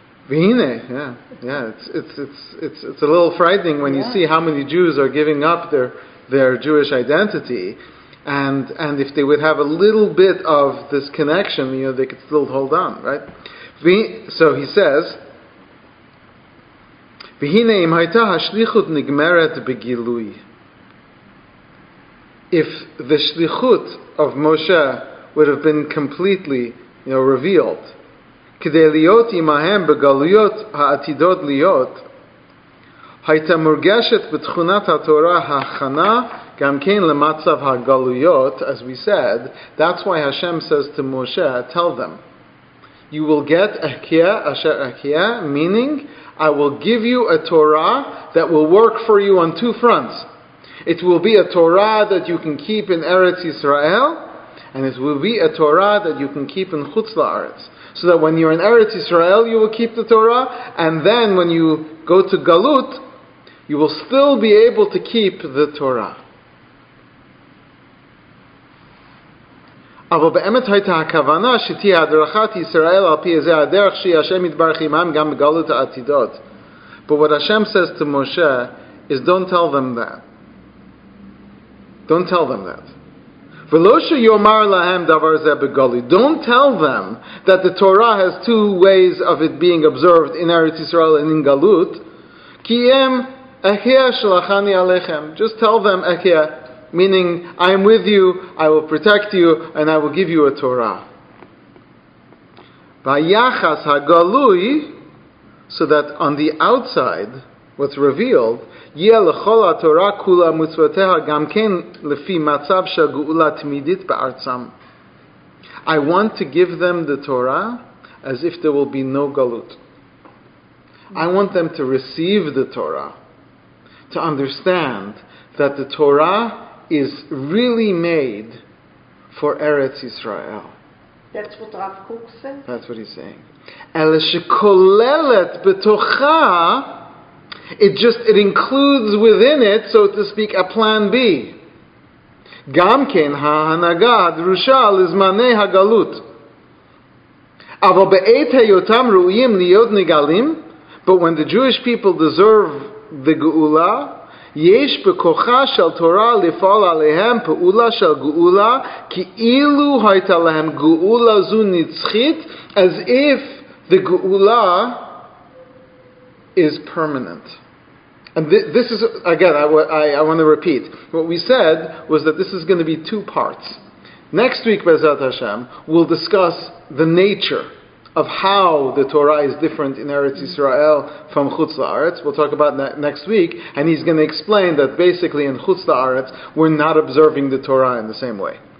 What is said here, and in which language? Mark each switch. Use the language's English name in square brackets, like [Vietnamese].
[English] Vihine, it's a little frightening when you see how many Jews are giving up their Jewish identity. And if they would have a little bit of this connection, you know, they could still hold on, right? So he says, [Hebrew] והנה אם הייתה השליחות נגמרת בגילוי. [English] If the שליחות of Moshe would have been completely, you know, revealed, [Hebrew] כדי להיות עמהם בגלויות העתידות להיות, הייתה מורגשת בתכונת התורה ההכנה גם כן למצב הגלויות, [English] as we said, that's why Hashem says to Moshe, tell them, you will get [Hebrew] Ahkia Asher Ahkia, [English] meaning I will give you a Torah that will work for you on two fronts. It will be a Torah that you can keep in Eretz Yisrael, and it will be a Torah that you can keep in Chutz La'aretz. So that when you're in Eretz Yisrael, you will keep the Torah, and then when you go to Galut, you will still be able to keep the Torah. [Hebrew] אבל באמת הייתה הכוונה שתהיה הדרכת ישראל על פי זה הדרך שהשם יתברך עמם גם בגלות העתידות. [English] But what Hashem says to Moshe is, don't tell them that. Don't tell them that. [Hebrew] V'lo sheyomar lahem davar zeh begali. [English] Don't tell them that the Torah has two ways of it being observed in Eretz Yisrael and in Galut. [Hebrew] Ki em ehyeh shelachani aleichem. [English] Just tell them ehyeh, meaning I am with you, I will protect you, and I will give you a Torah. [Hebrew] V'yachas ha-galui, [English] so that on the outside, what's revealed, [Hebrew] יהיה לכל התורה כולה מצוותיה גם כן לפי מצב של גאולה תמידית בארצם. [English] I want to give them the Torah as if there will be no galut. I want them to receive the Torah, to understand that the Torah is really made for Eretz Israel. That's what Rav Kook said. That's what he's saying. [Hebrew] אלא שכוללת בתוכה, [English] it includes within it, so to speak, a plan B. [Hebrew] גם כן ההנהגה הדרושה לזמני הגלות. אבל בעת היותם ראויים להיות נגלים, [English] but when the Jewish people deserve the [Hebrew] גאולה, יש בכוחה של תורה לפעול עליהם פעולה של גאולה, כאילו הייתה להם גאולה זו נצחית, [English] as if the Geula is permanent. And this is, again, I want to repeat. What we said was that this is going to be two parts. Next week, Be'ezrat Hashem, we'll discuss the nature of how the Torah is different in Eretz Yisrael from Chutz La'aretz. We'll talk about that next week. And he's going to explain that basically in Chutz La'aretz, we're not observing the Torah in the same way.